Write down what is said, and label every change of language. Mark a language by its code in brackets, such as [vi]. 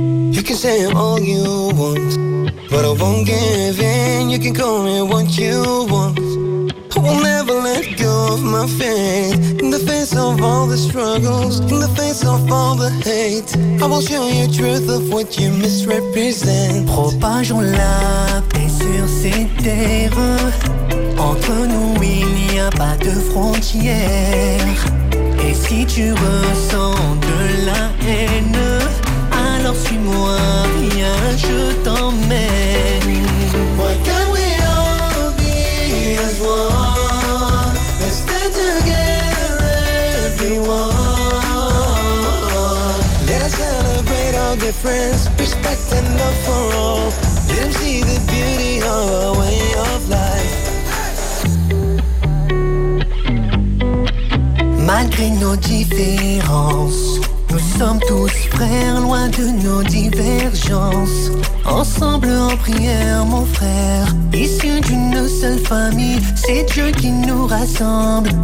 [en] You can say all you want, but I won't give in. You can call me what you want. I will never let go of my faith. In the face of all the struggles, in the face of all the hate, I will show you truth of what you misrepresent. [fr] Propageons la paix sur ces terres. Entre nous il n'y a pas de frontières. Et si tu ressens de la haine, alors suis-moi, viens, je t'emmène. [en] Why can't we all be as one? Let's stand together, everyone. Let us celebrate our difference, respect and love for all. Let us see the beauty of our way of life. [fr] Malgré nos différences, nous sommes tous frères, loin de nos divergences. Ensemble en prière, mon frère, issus d'une seule famille, c'est Dieu qui nous rassemble.